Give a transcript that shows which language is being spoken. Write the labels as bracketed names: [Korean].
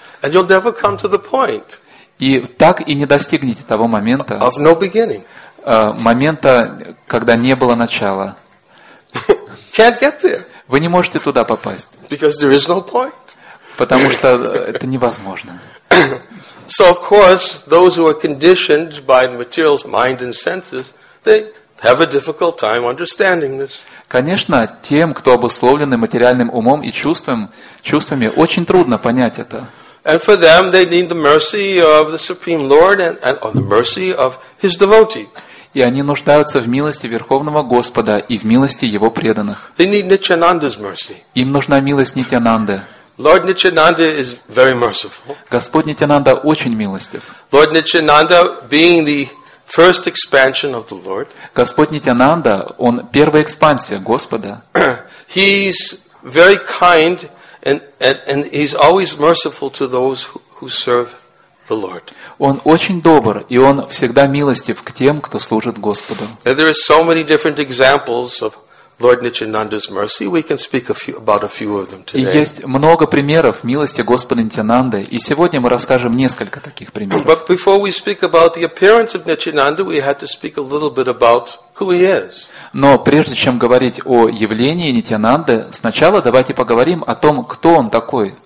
[English] And you'll never come to the point. [Russian] И так и не достигнете того момента. [English] Of no beginning. [Russian] Момента, когда не было начала. [English] Can't get there. [Russian] Вы не можете туда попасть. [English] Because there is no point. [Russian] Потому что это невозможно. [English] So of course, those who are conditioned by the material mind and senses, they have a difficult time understanding this. [Russian] Конечно, тем, кто обусловлен материальным умом и чувствами, очень трудно понять это. [English] And for them, they need the mercy of the Supreme Lord and the mercy of His devotee. [Russian] И они нуждаются в милости Верховного Господа и в милости Его преданных. [English] They need Nityananda's mercy. [Russian] Им нужна милость Нитьянанды. [English] Lord Nityananda is very merciful. [Russian] Господь Нитьянанда очень милостив. [English] Lord Nityananda, being the first expansion of the Lord. [Russian] Господь Нитьянанда, он первая экспансия Господа. [English] He's very kind and he's always merciful to those who serve the Lord. [Russian] Он очень добр и он всегда милостив к тем, кто служит Господу. [English] And there are so many different examples of Lord Nityananda's mercy, we can speak about a few of them today. [Russian] Есть много примеров милости Господа Нитянанды, и сегодня мы расскажем несколько таких примеров. [English] But before we speak about the appearance of Nityananda, we had to speak a little bit about who he is. [Russian] Но прежде чем говорить о явлении Нитянанды, сначала давайте поговорим о том, кто он такой.